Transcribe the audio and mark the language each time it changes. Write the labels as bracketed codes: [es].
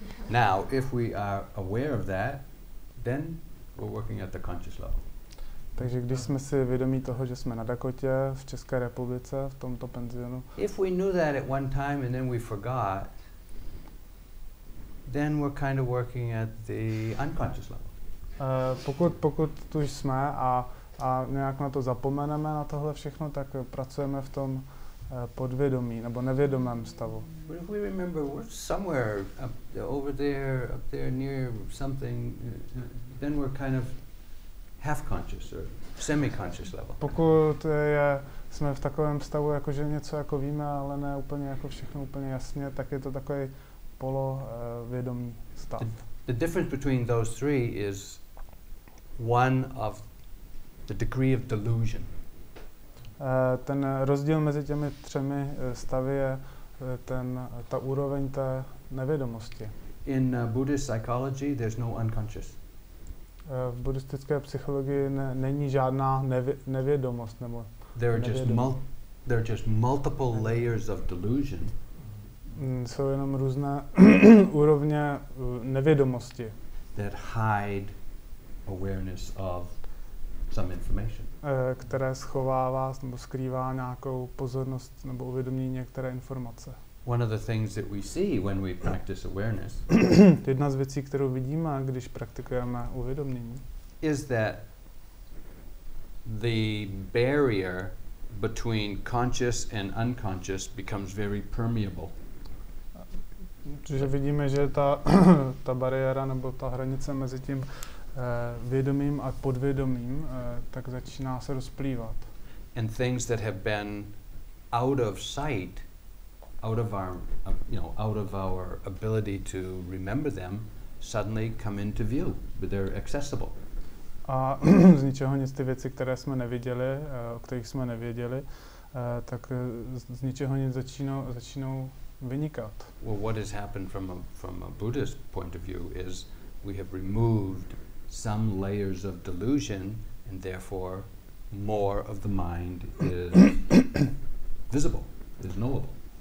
[en] Now, if we are aware of that, then we're working at the conscious level. [cs] Takže když jsme si vědomí toho, že jsme na Dakotě, v České republice, v tomto penzionu. [en] If we knew that at one time and then we forgot, then we're kind of working at the unconscious level. [cs] Pokud tu jsme a nějak na to zapomeneme, na tohle všechno, tak pracujeme v tom podvědomí nebo nevědomém stavu. [en] But if we remember we're somewhere over there, up there near something, then we're kind of half-conscious or semi-conscious level. [cs] Pokud jsme v takovém stavu, jakože něco jako víme, ale ne úplně jako všechno úplně jasně, tak je to takový polovědomý stav. [en] The difference between those three is one of the degree of delusion. [cs] Ten rozdíl mezi těmi třemi stavy je ta úroveň té nevědomosti. [en] In Buddhist psychology there's no unconscious. [cs] V buddhistické psychologii není žádná nevědomost nebo [en] There are just multiple layers of delusion. [cs] Jsou jenom různé úrovně nevědomosti. [en] That hide awareness of some information. [cs] Které schovává nebo skrývá nějakou pozornost nebo uvědomí některé informace. [en] One of the things that we see when we practice awareness. [cs] Jedna z věcí, kterou vidíme, když praktikujeme uvědomění. [en] Is that the barrier between conscious and unconscious becomes very permeable. [cs] Že vidíme, že ta bariéra nebo ta hranice mezi tím vědomým a podvědomým tak začíná se rozplývat. [en] And things that have been out of sight, out of our ability to remember them, suddenly come into view, but they're accessible. [cs] A z ničeho nic ty věci, které jsme neviděli, o kterých jsme nevěděli, tak z ničeho nic začínou vynikat. [en] Well, what has happened from a Buddhist point of view is we have removed some layers of delusion and therefore more of the mind is visible, is knowable.